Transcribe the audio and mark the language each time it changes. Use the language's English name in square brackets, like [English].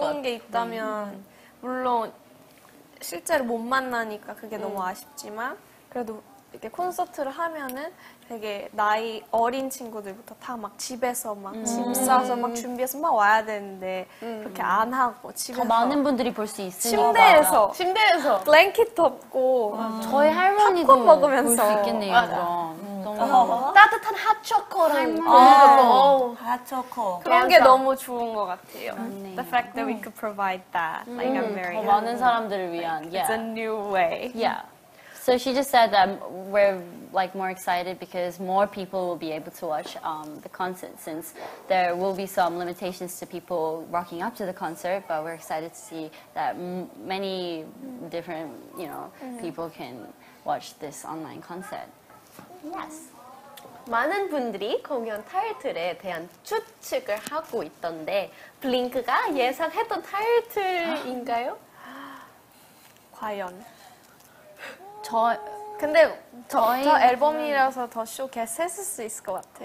[Korean] 좋은 게 있다면 물론 실제로 못 만나니까 그게 너무 아쉽지만 그래도 이렇게 콘서트를 하면은 되게 나이 어린 친구들부터 다 막 집에서 막 짐 싸서 막 준비해서 막 와야 되는데 그렇게 안 하고 집에서 더 많은 분들이 볼 수 있으니까 침대에서 맞아. 침대에서 블랭킷 덮고 저희 할머니도 팝콘 먹으면서 볼 수 있겠네요. 따뜻한 핫초코랑 핫초코 그런 게 너무 좋은 것 같아요. [English] The fact that we could provide that like I'm very [Korean] 더 많은 사람들을 위한 [English] It's a new way. Yeah. So she just said that we're like more excited because more people will be able to watch the concert since there will be some limitations to people rocking up to the concert, but we're excited to see that many different, you know, people can watch this online concert. Yes. [Korean] 많은 분들이 공연 타이틀에 대한 추측을 하고 있던데 블링크가 예상했던 타이틀인가요? 과연? 저 근데 저 앨범이라서 더 쇼케이스 했을 수 있을 것 같아.